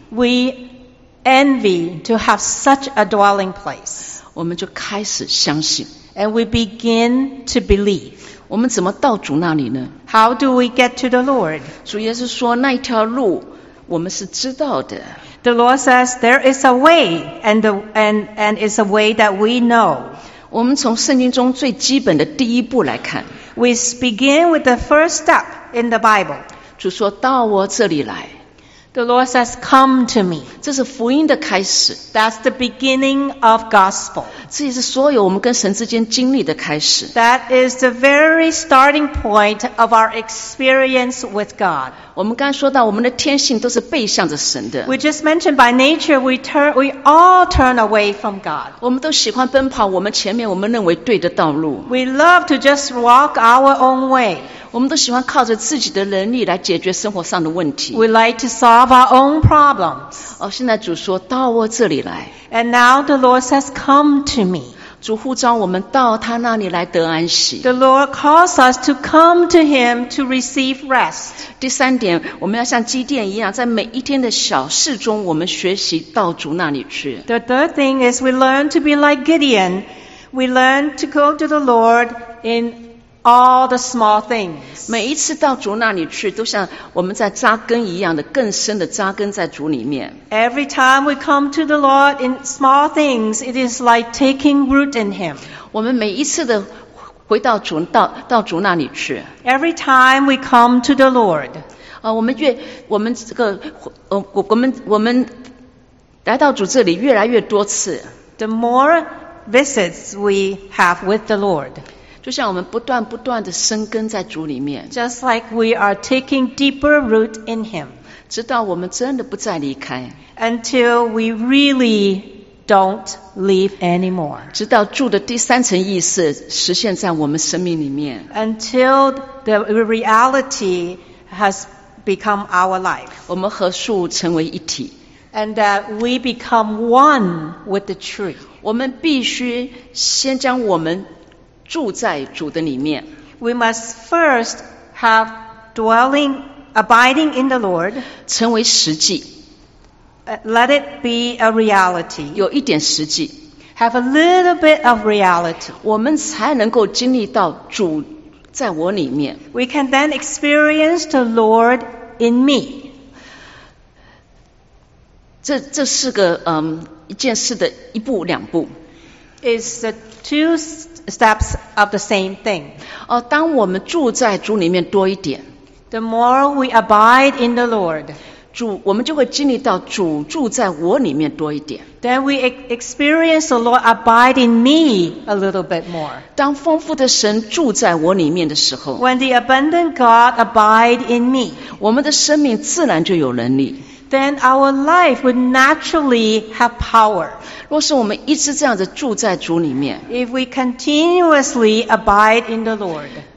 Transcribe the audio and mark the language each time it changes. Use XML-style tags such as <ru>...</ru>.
<en>We envy to have such a dwelling place.</en> <zh>我们就开始相信。</zh> <en>And we begin to believe.</en> <zh>我们怎么到主那里呢？</zh> <en>How do we get to the Lord?</en> <zh>主耶稣说，那一条路我们是知道的。</zh> <en>The Lord says, there is a way, and it's a way that we know.</en> <zh>我们从圣经中最基本的第一步来看。</zh> <en>We begin with the first step in the Bible.</en> <zh>主说，到我这里来。</zh> <en>The Lord says, come to me.</en> <zh>这是福音的开始。</zh> <en>That's the beginning of gospel.</en> <zh>这也是所有我们跟神之间经历的开始。</zh> <en>That is the very starting point of our experience with God.</en> <zh>我们刚才说到我们的天性都是背向着神的。</zh> <en>We just mentioned by nature, we all turn away from God.</en> <zh>我们都喜欢奔跑我们前面我们认为对的道路。</zh> <en>We love to just walk our own way.</en> <zh>我们都喜欢靠着自己的能力来解决生活上的问题。</zh> <en>We like to solve our own problems.</en> <zh>现在主说到我这里来。</zh> <en>And now the Lord says, come to me.</en> <zh>主呼召我们到他那里来得安息。</zh> <en>The Lord calls us to come to him to receive rest.</en> <zh>第三点，我们要像基甸一样，在每一天的小事中，我们学习到主那里去。</zh> <en>The third thing is we learn to be like Gideon. We learn to go to the Lord in all the small things.</en> <zh>每一次到主那里去都像我们在扎根一样的更深的扎根在主里面。</zh> <en>Every time we come to the Lord in small things, it is like taking root in him.</en> <zh>我们每一次的回到主到主那里去。</zh> <en>Every time we come to the Lord.</en> <zh>我们来到主这里越来越多次。</zh> <en>The more visits we have with the Lord.</en> <zh>就像我们不断不断地生根在主里面。</zh> <en>Just like we are taking deeper root in him.</en> <zh>直到我们真的不再离开。</zh> <en>Until we really don't leave anymore.</en> <zh>直到住的第三层意识实现在我们生命里面。</zh> <en>Until the reality has become our life.</en> <zh>我们和树成为一体。</zh> <en>And that we become one with the tree.</en> <zh>我们必须先将我们住在主的里面。</zh> <en>We must first have dwelling, abiding in the Lord.</en> <zh>成为实际。</zh> <en>Let it be a reality.</en> <zh>有一点实际。</zh> <en>Have a little bit of reality.</en> <zh>我们才能够经历到主在我里面。</zh> <en>We can then experience the Lord in me.</en> <zh>这是个一件事的一步两步。</zh> <en>It's the two steps of the same thing.</en> <zh>当我们住在主里面多一点。</zh> <en>The more we abide in the Lord.</en> <zh>主，我们就会经历到主住在我里面多一点。</zh> <en>Then we experience the Lord abiding me a little bit more.</en> <zh>当丰富的神住在我里面的时候</zh> <en>，When the abundant God abide in me,</en> <zh>我们的生命自然就有能力。</zh> <en>Then our life would naturally have power.</en> <zh>若是我们一直这样子住在主里面</zh> <en>，If we continuously abide in the Lord,</en>